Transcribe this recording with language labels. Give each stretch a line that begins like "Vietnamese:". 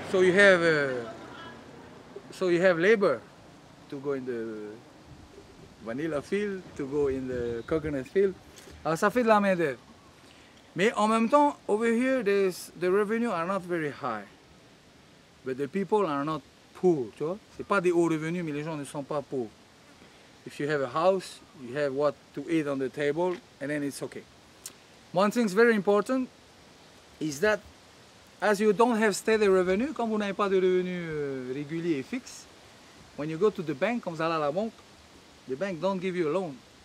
English: So you have labor to go in the vanilla field, to go in the coconut field.
French: Ça fait de la main-d'œuvre. Mais en même temps,
English: over here, the revenues are not very high. But the people are not poor,
French: tu vois. C'est pas des hauts revenus, mais les gens ne sont pas pauvres.
English: If you have a house, you have what to eat on the table, and then it's okay. One thing's very important is that as you don't have steady revenue,
French: comme vous n'avez pas de revenus réguliers et fixes,
English: when you go to the bank,
French: comme vous allez à la banque,
English: the bank don't give you a loan.